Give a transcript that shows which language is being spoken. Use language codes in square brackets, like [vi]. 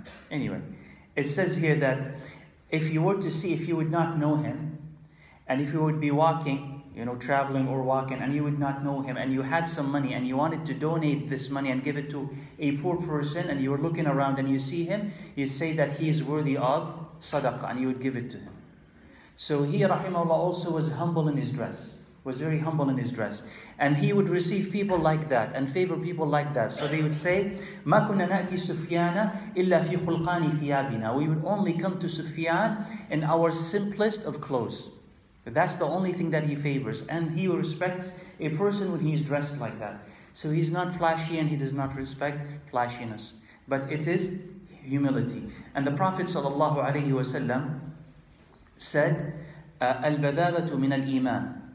[en] Anyway. It says here that if you were to see, if you would not know him, and if you would be walking, you know, traveling or walking, and you would not know him, and you had some money, and you wanted to donate this money and give it to a poor person, and you were looking around and you see him, you'd say that he is worthy of sadaqah, and you would give it to him. So he, rahimahullah, also was humble in his dress, was very humble in his dress. And he would receive people like that, and favor people like that. So they would say, [ar] مَا كُنَّا نَأْتِي سُفْيَانَ إِلَّا فِي خُلْقَانِ ثِيَابِنَا. [en] We would only come to Sufyan in our simplest of clothes. That's the only thing that he favors. And he respects a person when he's dressed like that. So he's not flashy and he does not respect flashiness. But it is humility. And the Prophet ﷺ said, [ar] أَلْبَذَاذَةُ مِنَ الْإِيمَانِ.